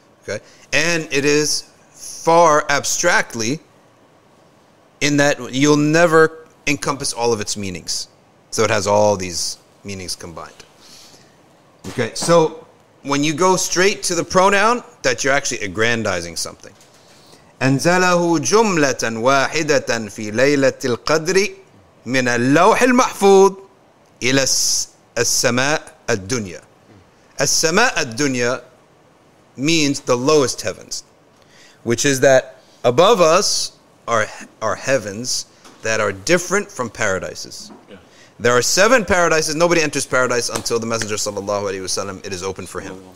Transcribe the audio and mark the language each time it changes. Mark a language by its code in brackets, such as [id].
[en] Okay, and it is far abstractly, in that you'll never encompass all of its meanings. So it has all these meanings combined. Okay, so when you go straight to the pronoun, that you're actually aggrandizing something. [ar] أنزله جملة واحدة في ليلة القدر من اللوح المحفوظ إلى السماء الدنيا. السماء الدنيا [en] means the lowest heavens, which is that above us are heavens that are different from paradises. Yeah. There are seven paradises. Nobody enters paradise until the Messenger sallallahu alaihi wasallam, it is open for him.